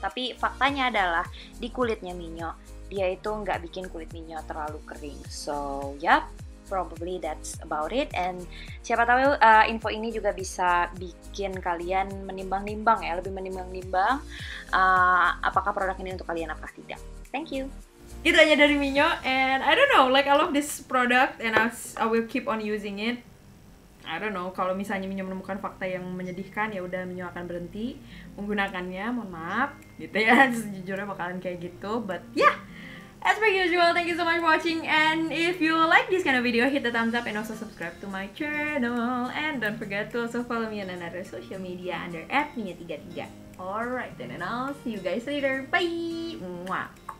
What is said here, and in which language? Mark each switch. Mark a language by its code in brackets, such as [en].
[id] Tapi faktanya adalah di kulitnya Minyo, dia itu nggak bikin kulit Minyo terlalu kering. [en] So, yup, probably that's about it. [id] And siapa tahu info ini juga bisa bikin kalian menimbang-nimbang ya, lebih menimbang-nimbang apakah produk ini untuk kalian apakah tidak. [en] Thank you. [id] Itu aja dari Minyo, [en] and I don't know, like I love this product, and I will keep on using it. I don't know, [id] kalau misalnya Minyo menemukan fakta yang menyedihkan, ya udah Minyo akan berhenti menggunakannya, mohon maaf, gitu ya, sejujurnya bakalan kayak gitu, [en] but yeah. As per usual, thank you so much for watching, and if you like this kind of video, hit the thumbs up, and also subscribe to my channel, and don't forget to also follow me on another social media under @minyo33. Alright, then, and I'll see you guys later, bye! Mwah.